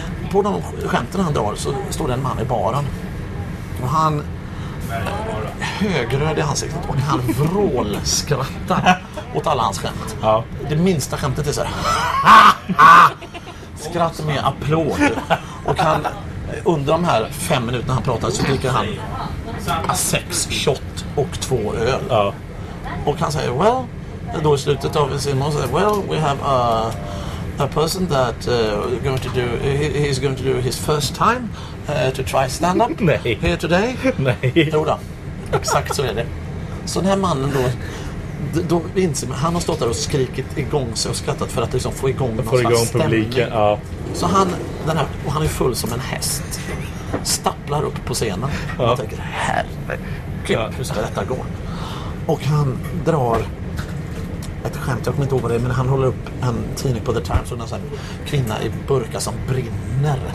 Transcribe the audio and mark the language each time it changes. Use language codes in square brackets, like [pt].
[sv] På de skämten han drar så står det en man i baren. Och han högröd i ansiktet och han vrålskrattar åt alla hans skämt. Ja. Det minsta skämtet är så här. Skratt med applåd. Och han, under de här 5 minuterna han pratade så dricker han 6 shot och 2 öl. Ja. Och han säger, well, då i slutet av Simon säger, [en] well, we have a person that going to do, he's going to do his first time to try stand-up. [sv] Nej. [en] Here today. [sv] Nej. Jo då. Exakt så är det. Så den här mannen då, då inser man, han har stått där och skrikit igång sig och skrattat för att liksom få igång någon slags igång publiken, ja. Så han, den här, och han är full som en häst, stapplar upp på scenen. Ja. Och tänker, herregud, hur ska detta gå? Och han drar ett skämt, jag kommer inte ihåg vad det är, men han håller upp en tidning på The Times och den här kvinna i burka som brinner.